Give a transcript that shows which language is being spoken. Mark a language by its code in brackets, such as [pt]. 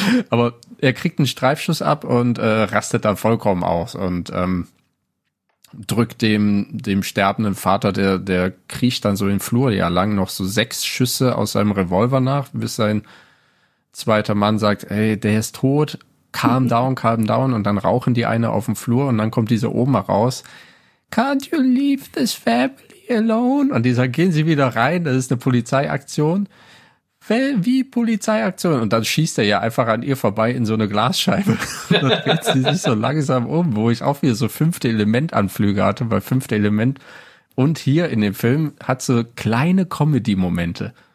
[de] Aber er kriegt einen Streifschuss ab und rastet dann vollkommen aus und drückt dem sterbenden Vater, der kriecht dann so im Flur ja lang noch so 6 Schüsse aus seinem Revolver nach, bis sein zweiter Mann sagt, ey, der ist tot, [en] calm down [de] und dann rauchen die eine auf dem Flur und dann kommt diese Oma raus. [en] Can't you leave this family alone? [de] Und die sagen, gehen Sie wieder rein, das ist eine Polizeiaktion. Wie Polizeiaktion? Und dann schießt er ja einfach an ihr vorbei in so eine Glasscheibe. Und dann dreht sie sich so langsam um, wo ich auch wieder so fünfte Element-Anflüge hatte, weil fünfte Element. Und hier in dem Film hat so kleine Comedy-Momente.